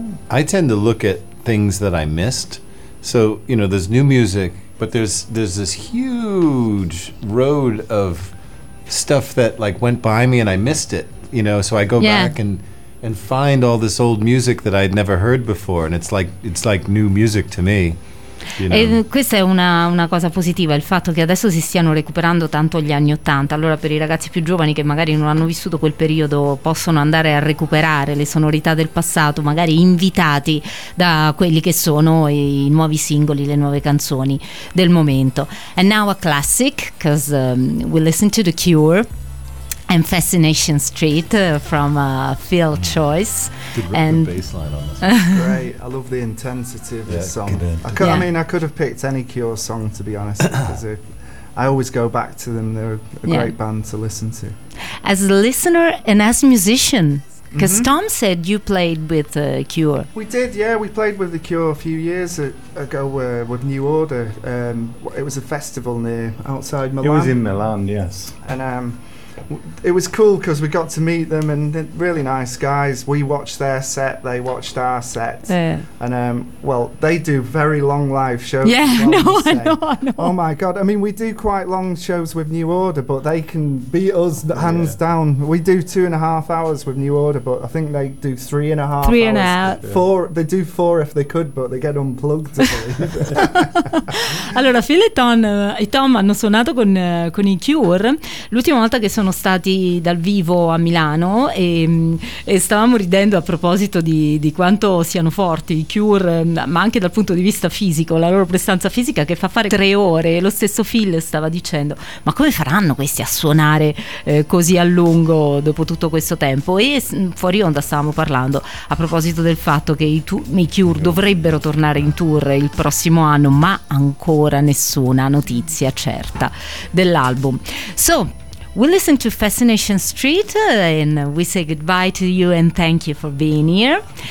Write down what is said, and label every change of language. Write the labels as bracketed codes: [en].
[en] I tend to look at things that I missed. So, you know, there's new music, but there's this huge road of stuff that, like, went by me and I missed it. You know, so I go back and find all this old music that I'd never heard before, and it's like new music to me. You know. [it] E questa è una cosa positiva, il fatto che adesso si stiano recuperando tanto gli anni Ottanta. Allora, per i ragazzi più giovani che magari non hanno vissuto quel periodo, possono andare a recuperare le sonorità del passato, magari invitati da quelli che sono i nuovi singoli, le nuove canzoni del momento. [en] And now a classic, because we listen to The Cure and Fascination Street from Phil Choice. Good bass line on this. Great. I love the intensity of this song. I mean, I could have picked any Cure song, to be honest, because I always go back to them. They're a great band to listen to. As a listener and as a musician, because Tom said you played with Cure. We did, yeah. We played with The Cure a few years ago with New Order. It was a festival outside Milan. It was in Milan, yes. And it was cool because we got to meet them, and really nice guys. We watched their set, they watched our set. And well, they do very long live shows. Yeah, I know. Oh my God. I mean, we do quite long shows with New Order, but they can beat us hands down. We do 2.5 hours with New Order, but I think they do 3.5 hours. They do four if they could, but they get unplugged. [it] Allora, Phil e Tom hanno suonato con i Cure l'ultima volta che sono stati dal vivo a Milano, e stavamo ridendo a proposito di quanto siano forti i Cure, ma anche dal punto di vista fisico, la loro prestanza fisica che fa fare 3 ore. Lo stesso Phil stava dicendo: ma come faranno questi a suonare così a lungo dopo tutto questo tempo? E fuori onda stavamo parlando a proposito del fatto che i Cure dovrebbero tornare in tour il prossimo anno, ma ancora nessuna notizia certa dell'album. [en] So we listen to Fascination Street and we say goodbye to you and thank you for being here.